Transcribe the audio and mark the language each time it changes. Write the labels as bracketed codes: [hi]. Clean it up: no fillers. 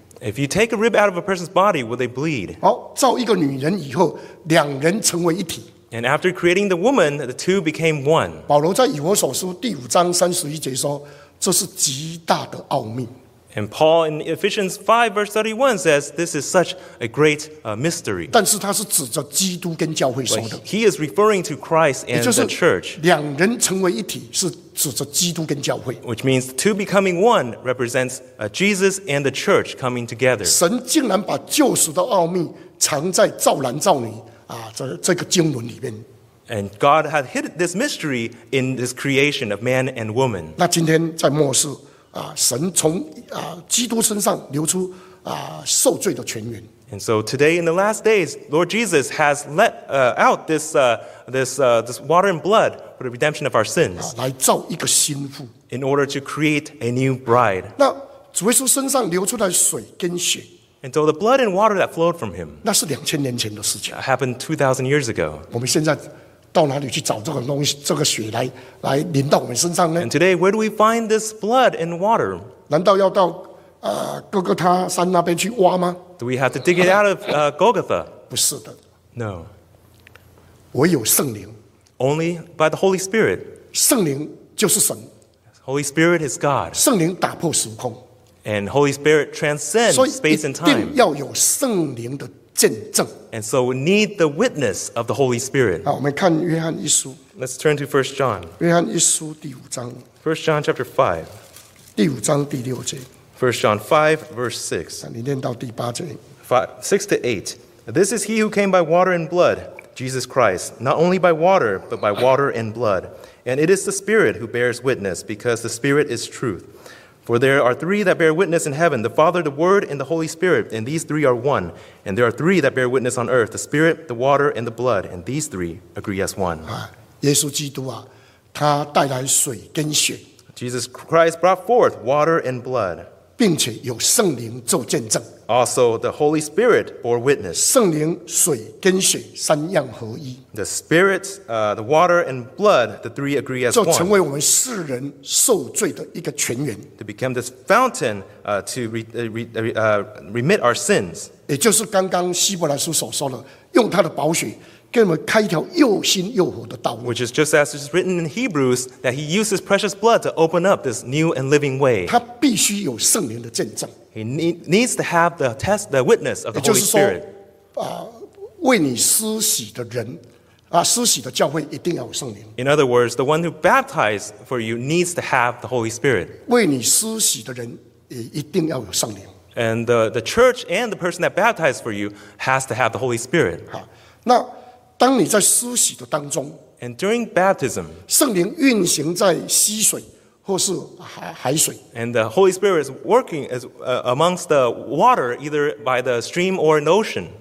[en] If you take a rib out of a person's body, will they bleed? [zh] 好，造一个女人以后，两人成为一体。 [en] And after creating the woman, the two became one. [zh] 保罗在以弗所书第五章三十一节说，这是极大的奥秘。 [en] And Paul in Ephesians 5 verse 31 says, this is such a great mystery. [zh] 但是他是指着基督跟教会说的。 [en] He is referring to Christ and the church. [zh] 两人成为一体是指着基督跟教会。 [en] Which means two becoming one represents Jesus and the church coming together. [zh] 神竟然把救赎的奥秘藏在造男造女这个经纶里面。 [en] And God had hid this mystery in this creation of man and woman. [zh] 那今天在末世神从基督身上流出受罪的泉源。 [en] And so today in the last days, Lord Jesus has let out this water and blood for the redemption of our sins. [zh] 来造一个新妇。 [en] In order to create a new bride. [zh] 那主耶稣身上流出的水跟血。 [en] And so the blood and water that flowed from him. [zh] 那是两千年前的事情。 [en] Happened 2,000 years ago. [zh] 我们现在到哪里去找这个东西？这个血来淋到我们身上呢 [en] ？And today, where do we find this blood and water? [zh] 难道要到哥哥他山那边去挖吗 [en] ？Do we have to dig it out of Golgotha? [zh] 不是的。 [en] No. [zh] 唯有圣灵。 [en] Only by the Holy Spirit. [zh] 圣灵就是神。 [en] Holy Spirit is God. [zh] 圣灵打破时空。 [en] And Holy Spirit transcends space and time. [zh] 所以一定要有圣灵的。 [en] And so we need the witness of the Holy Spirit. [zh] 好，我们看约翰一书。 [en] Let's turn to 1 John. [zh] 约翰一书第五章。 [en] 1 John chapter 5. [zh] 第五章第六节。 [en] 1 John 5 verse 6. [zh] 你念到第八节。 [en] 6 to 8. This is he who came by water and blood, Jesus Christ. Not only by water, but by water and blood. And it is the Spirit who bears witness, because the Spirit is truth. For there are three that bear witness in heaven, the Father, the Word, and the Holy Spirit, and these three are one. And there are three that bear witness on earth, the Spirit, the water, and the blood, and these three agree as one. [zh] 耶稣基督啊，他带来水跟血。 [en] Jesus Christ brought forth water and blood. [zh] 并且有圣灵做见证。 [en] Also, the Holy Spirit bore witness. [zh] 圣灵、水跟血三样合一。 [en] The Spirit, the water and blood, the three agree as one. [zh] 就成为我们世人受罪的一个泉源。 [en] To become this fountain, remit our sins. [zh] 也就是刚刚希伯来书所说的，用他的宝血给我们开一条又新又活的道路。 [en] Which is just as it is written in Hebrews that he used his precious blood to open up this new and living way. [zh] 他必须有圣灵的见证。 [en] He needs to have the witness of the Holy Spirit. [zh] 为你施洗的人施洗的教会一定要有圣灵。 [en] In other words, the one who baptized for you needs to have the Holy Spirit. [zh] 为你施洗的人也一定要有圣灵。 [en] And the church and the person that baptized for you has to have the Holy Spirit. [zh] 那当你在施洗的当中 [en] ，and during baptism， [zh] 圣灵运行在溪水。或是海水 [en] ，and the Holy Spirit is working as amongst the water, either by the stream or an ocean.